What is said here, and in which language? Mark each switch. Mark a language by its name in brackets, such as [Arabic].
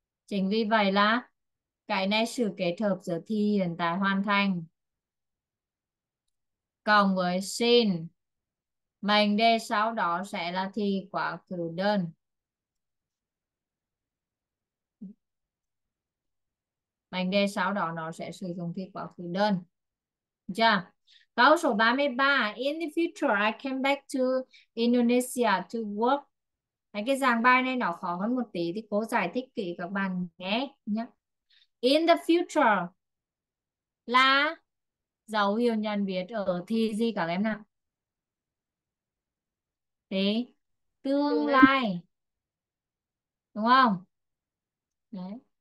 [Vietnamese] Chính vì vậy là cái này sự kết hợp giữa thi hiện tại hoàn thành cộng với since, mệnh đề sau đó sẽ là thi quá khứ đơn. Mệnh đề sau đó nó sẽ sử dụng thi quá khứ đơn. Chưa? Câu số 33. [English] In the future, I came back to Indonesia to work. [Vietnamese] Đấy, cái dạng bài này nó khó hơn một tí thì cô giải thích kỹ các bạn nghe nhé. In the future là dấu hiệu nhận biết ở thì gì các em nào? Thì tương lai. Đúng không? Đấy.